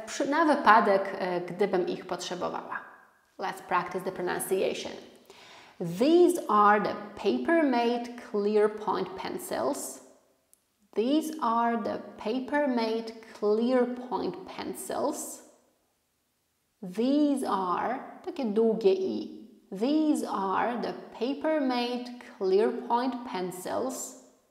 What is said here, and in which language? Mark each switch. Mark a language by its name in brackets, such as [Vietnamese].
[Polish] Na wypadek, gdybym ich potrzebowała. [English] Let's practice the pronunciation. These are the paper-made clear-point pencils. These are the paper-made clear-point pencils. These are, [Polish] takie długie i. [English] These are the paper-made clear-point pencils.